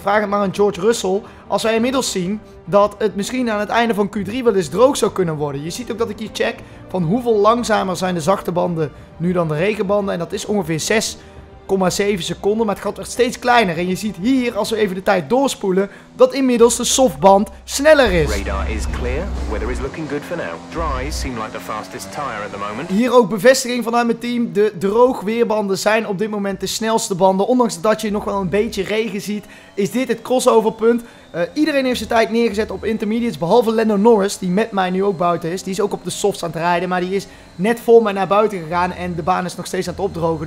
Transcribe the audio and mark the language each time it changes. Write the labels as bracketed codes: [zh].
[nl] Vraag het maar aan George Russell. Als wij inmiddels zien dat het misschien aan het einde van Q3 wel eens droog zou kunnen worden. Je ziet ook dat ik hier check van hoeveel langzamer zijn de zachte banden nu dan de regenbanden. En dat is ongeveer 6 0,7 seconden, maar het gat werd steeds kleiner. En je ziet hier, als we even de tijd doorspoelen, dat inmiddels de softband sneller is. [en] Radar is clear. Weather is looking good for now. Dry seem like the fastest tire at the moment. [nl] Hier ook bevestiging vanuit mijn team. De droogweerbanden zijn op dit moment de snelste banden. Ondanks dat je nog wel een beetje regen ziet, is dit het crossoverpunt. Iedereen heeft zijn tijd neergezet op intermediates, behalve Lando Norris, die met mij nu ook buiten is. Die is ook op de softs aan het rijden, maar die is net voor mij naar buiten gegaan en de baan is nog steeds aan het opdrogen.